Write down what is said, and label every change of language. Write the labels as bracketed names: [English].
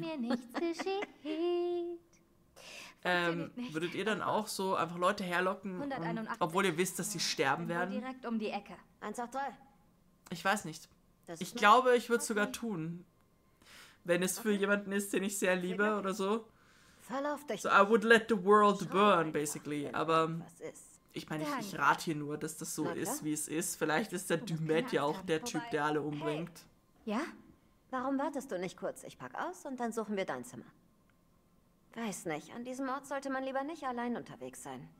[German] Mir nichts geschieht. Würdet ihr dann auch so einfach Leute herlocken, obwohl ihr wisst, dass sie sterben werden? Direkt um die Ecke. Ich weiß nicht. Ich glaube, ich würde es sogar tun. Wenn es für jemanden ist, den ich sehr liebe oder so. [English] So, I would let the world burn, basically. [German] Aber ich meine, ich rate hier nur, dass das so ist, wie es ist. Vielleicht ist der Dumet ja auch der Typ, der alle umbringt. Ja? Warum wartest du nicht kurz? Ich pack aus und dann suchen wir dein Zimmer. Weiß nicht, an diesem Ort sollte man lieber nicht allein unterwegs sein.